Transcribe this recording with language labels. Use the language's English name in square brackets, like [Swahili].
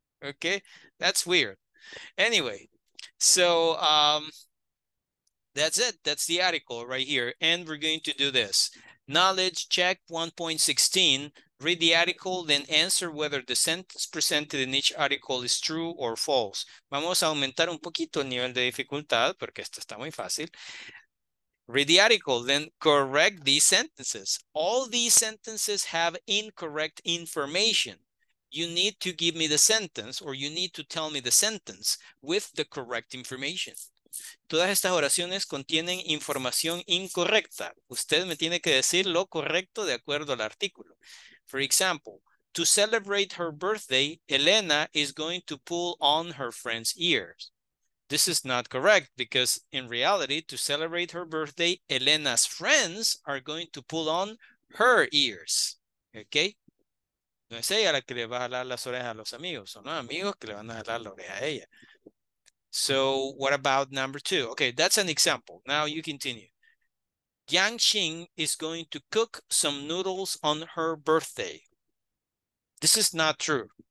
[English] Okay? That's weird. Anyway, so that's it. That's the article right here. And we're going to do this. Knowledge check 1.16. Read the article, then answer whether the sentence presented in each article is true or false. [Spanish] Vamos a aumentar un poquito el nivel de dificultad, porque esto está muy fácil. [English] Read the article, then correct these sentences. All these sentences have incorrect information. You need to give me the sentence, or you need to tell me the sentence with the correct information. [Spanish] Todas estas oraciones contienen información incorrecta. Usted me tiene que decir lo correcto de acuerdo al artículo. [English] For example, to celebrate her birthday, Elena is going to pull on her friend's ears. This is not correct because in reality, to celebrate her birthday, Elena's friends are going to pull on her ears. Okay? [Spanish] No es ella la que le va a jalar las orejas a los amigos. Son los amigos que le van a jalar la oreja a ella. [English] So what about number 2? Okay, that's an example. Now you continue. Yang Xing is going to cook some noodles on her birthday. This is not true.